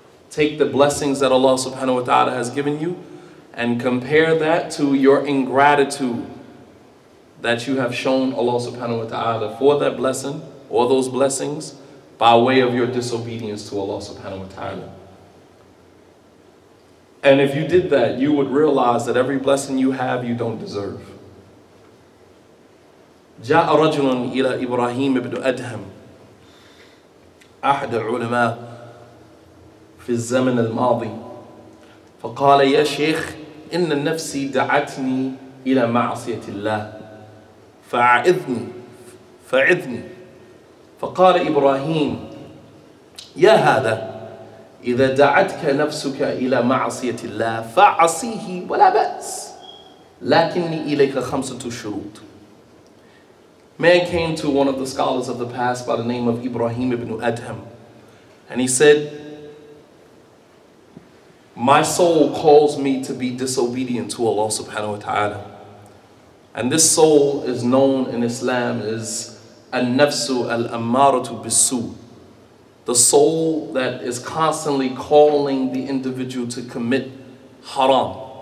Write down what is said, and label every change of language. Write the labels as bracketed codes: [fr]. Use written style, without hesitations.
[en] Take the blessings that Allah subhanahu wa ta'ala has given you and compare that to your ingratitude that you have shown Allah subhanahu wa ta'ala for that blessing or those blessings by way of your disobedience to Allah subhanahu wa ta'ala. And if you did that, you would realize that every blessing you have, you don't deserve. [ar] جاء رجل إلى إبراهيم بن أدهم أحد العلماء في الزمن الماضي فقال يا شيخ إن نفسي دعتني إلى معصية الله فأعذني فأعذني. فقال إبراهيم يا هذا إذا دعتك نفسك إلى معصية الله فعصيه ولا بأس لكني إليك خمسة شروط. [en] Man came to one of the scholars of the past by the name of Ibrahim ibn Adham, and he said, my soul calls me to be disobedient to Allah subhanahu wa ta'ala. And this soul is known in Islam as al-nafsu al-ammaratu bisu, the soul that is constantly calling the individual to commit haram.